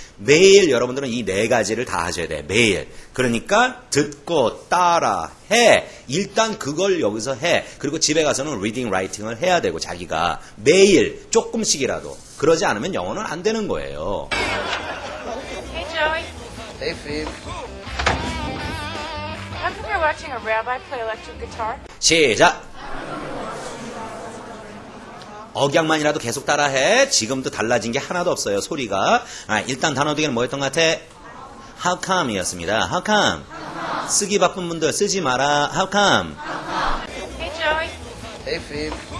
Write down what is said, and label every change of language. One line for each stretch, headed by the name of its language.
Korean: 매일 여러분들은 이 네 가지를 다 하셔야 돼. 매일. 그러니까 듣고 따라 해. 일단 그걸 여기서 해. 그리고 집에 가서는 리딩 라이팅을 해야 되고 자기가 매일 조금씩이라도. 그러지 않으면 영어는 안 되는 거예요.
English: Hey Joey. Hey Phoebe. How come you're watching a rabbi play electric guitar?
Korean: 시작. 억양만이라도 계속 따라해. 지금도 달라진 게 하나도 없어요. 소리가. 아, 일단 단어 두 개는 뭐였던 것 같아?
English: How come 이었습니다. How come? How come?
Korean: 쓰기 바쁜 분들 쓰지 마라.
English: How come? Hey, Joey. Hey, Phoebe.